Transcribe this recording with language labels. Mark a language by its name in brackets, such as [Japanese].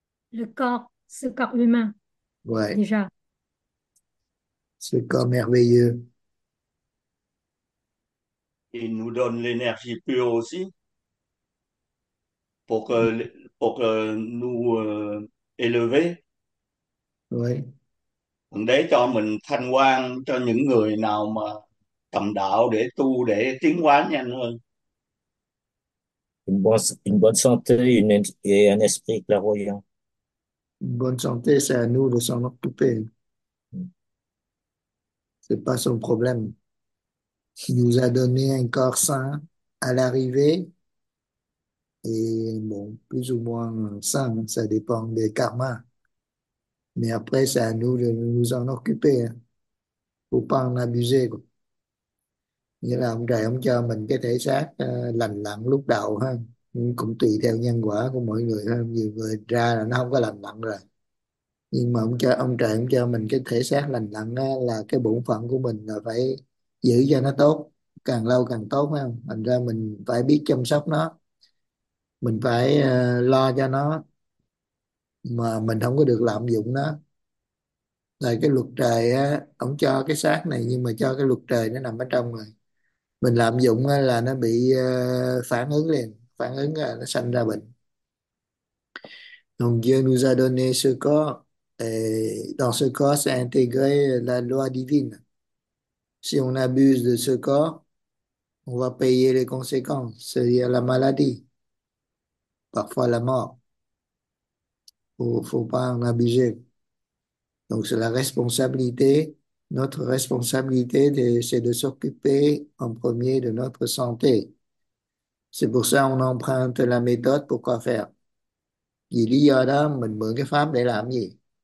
[French] Le corps, ce corps humain, Ouais, déjà. ce corps merveilleux. Il nous donne l'énergie pure aussi pour que pour nous élever. Oui. [Vietnamese] Để cho mình thanh quan cho những người nào mà cầm đạo để tu để tiến hóa nhanh hơn. [French] Une bonne santé et un esprit clairvoyant. Bonne santé, c'est à nous de s'en occuper. Ce n'est pas son problème. Il nous a donné un corps sain à l'arrivée. Et bon, plus ou moins sain, ça dépend des karmas. Mais après, c'est à nous de nous en occuper. Il ne faut pas en abuser. [Vietnamese] Nghĩa là ông trời ông cho mình cái thể xác lành lặn lúc đầu ha, cũng tùy theo nhân quả của mọi người ha, nhiều người ra là nó không có lành lặn rồi, nhưng mà ông trời ông cho mình cái thể xác lành lặn á, là cái bổn phận của mình là phải giữ cho nó tốt, càng lâu càng tốt ha. Thành ra mình phải biết chăm sóc nó, mình phải lo cho nó, mà mình không có được lạm dụng nó. Tại cái luật trời á, ông cho cái xác này nhưng mà cho cái luật trời nó nằm ở trong rồi, mình lạm dụng á, là nó bị phản ứng liền, phản ứng là nó sanh ra bệnh. [French] Donc Dieu nous a donné ce corps et dans ce corps s'est intégré la loi divine. Si on abuse de ce corps, on va payer les conséquences, c'est-à-dire la maladie, parfois la mort. Faut pas en abuser. Donc c'est la responsabilité, notre responsabilité, c'est de s'occuper en premier de notre santé. C'est pour ça qu'on emprunte la méthode pour quoi faire. [Vietnamese] Vì lý do đó mình mượn cái pháp để làm gì?